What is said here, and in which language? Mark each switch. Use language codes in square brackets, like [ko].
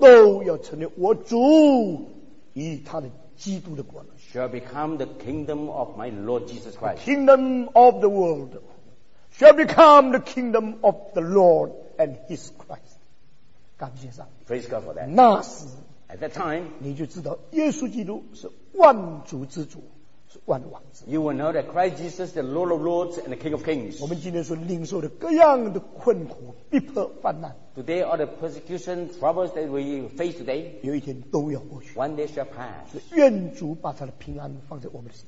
[zh] 都要成为我主与他的基督的国。 [en] Shall become the kingdom of my Lord Jesus Christ. The kingdom of the world. Shall become the kingdom of the Lord and his Christ. [zh] 感谢上帝。 [en] Praise God for that. [zh] 那时 [en] ，at that time， [zh] 你就知道耶稣基督是万族之主，是万王之。 [en] You will know that Christ Jesus, the Lord of Lords and the King of Kings. [zh] 我们今天所领受的各样的困苦、逼迫、患难 [en] ，today all the persecution troubles that we face today， [zh] 有一天都要过去。 [en] One day shall pass. [zh] 愿主把他的平安放在我们的心。